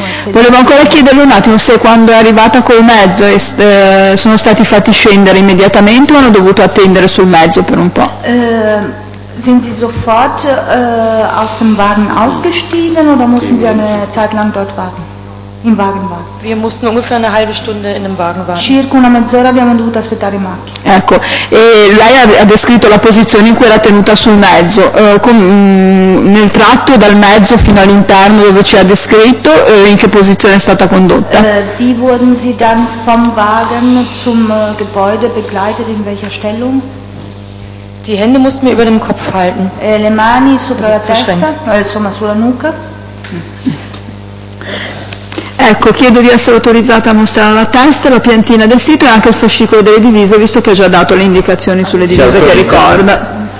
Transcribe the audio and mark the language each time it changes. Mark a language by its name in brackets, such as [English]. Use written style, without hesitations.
[Italian] Volevo ancora chiederle un attimo se quando è arrivata col mezzo sono stati fatti scendere immediatamente o hanno dovuto attendere sul mezzo per un po'. [German] Sind sie sofort aus dem Wagen ausgestiegen oder mussten sie eine Zeit lang dort warten? Im Wagen war. Wir mussten ungefähr eine halbe Stunde in dem Wagen waren. [Italian] Circa una mezz'ora abbiamo dovuto aspettare in macchina. Ecco, e lei ha descritto la posizione in cui era tenuta sul mezzo. Nel tratto dal mezzo fino all'interno dove ci ha descritto, in che posizione è stata condotta? [German] Wie wurden Sie dann vom Wagen zum Gebäude begleitet, in welcher Stellung? Die Hände mussten wir über dem Kopf halten. [Italian] Le mani sopra la testa, insomma sulla nuca. Ecco, chiedo di essere autorizzata a mostrare la testa, la piantina del sito e anche il fascicolo delle divise, visto che ho già dato le indicazioni sulle divise che ricorda.